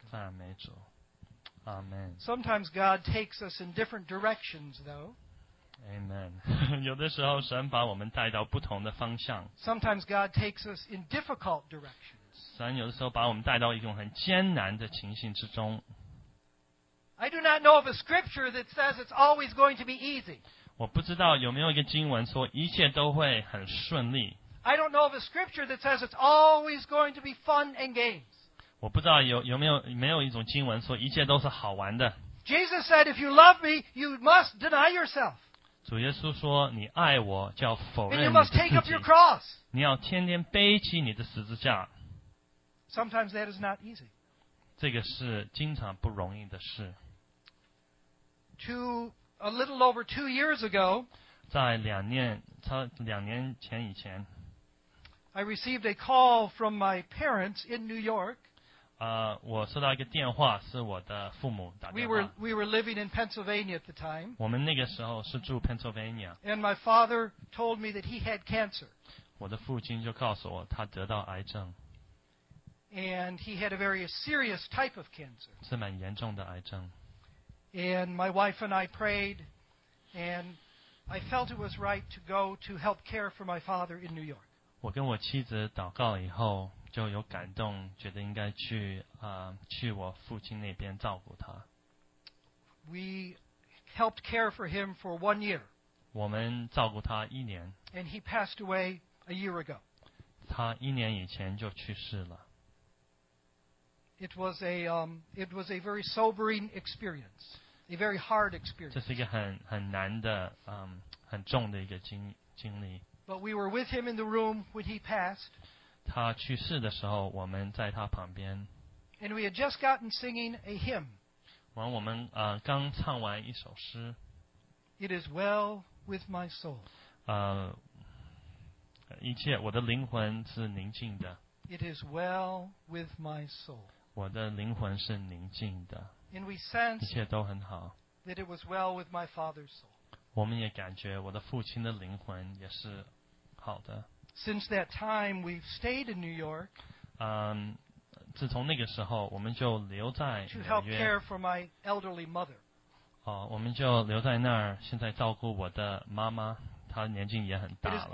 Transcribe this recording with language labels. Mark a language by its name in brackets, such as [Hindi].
[Chinese] 赞美主。Amen. [English] Sometimes God takes us in different directions, though. Amen. [Chinese] 有的时候神把我们带到不同的方向。 [English] Sometimes God takes us in difficult directions. [Chinese] 神有的时候把我们带到一种很艰难的情形之中。 [English] I do not know of a scripture that says it's always going to be easy. [Chinese] 我不知道有没有一个经文说一切都会很顺利。 [English] I don't know of a scripture that says it's always going to be fun and games. [Chinese] 我不知道有没有一种经文说一切都是好玩的。 [English] Jesus said, if you love me, you must deny yourself. [Chinese] 主耶稣说你爱我就要否认你自己。 [English] And you must take up your cross. [Chinese] 你要天天背起你的十字架。 [English] Sometimes that is not easy. [Chinese] 这个是经常不容易的事。 [English] A little over 2 years ago, [Chinese] 在两年前以前 [English] I received a call from my parents in New York. [Chinese] 我收到一个电话，是我的父母打电话。 [English] We were living in Pennsylvania at the time. [Chinese] 我们那个时候是住 Pennsylvania. [English] And my father told me that he had cancer. [Chinese] 我的父亲就告诉我他得到癌症。 [English] And he had a very serious type of cancer. [Chinese] 是蛮严重的癌症。 [English] And my wife and I prayed, and I felt it was right to go to help care for my father in New York. [Chinese] 我跟我妻子祷告了以后，就有感动，觉得应该去去我父亲那边照顾他。 [English] We helped care for him for 1 year. [Chinese] 我们照顾他一年。 [English] And he passed away a year ago. [Chinese] 他一年以前就去世了。 [English] It was a very sobering experience, a very hard experience. [Chinese] 这是一个很难的、很重的一个经历。 [English] But we were with him in the room when he passed. [Chinese] 他去世的时候，我们在他旁边。 [English] And we had just gotten singing a hymn. [Chinese] 完，我们刚唱完一首诗。 [English] It is well with my soul. [Chinese] 一切，我的灵魂是宁静的。 [English] It is well with my soul. [Chinese] 我的灵魂是宁静的。 [English] And we sensed [Chinese] 一切都很好。 [English] That it was well with my father's soul. [Chinese] 我们也感觉我的父亲的灵魂也是好的。 [English] Since that time, we've stayed in New York. [Chinese] 自从那个时候，我们就留在纽约。 [English] To help care for my elderly mother. [Chinese] 我们就留在那儿，现在照顾我的妈妈，她年纪也很大了。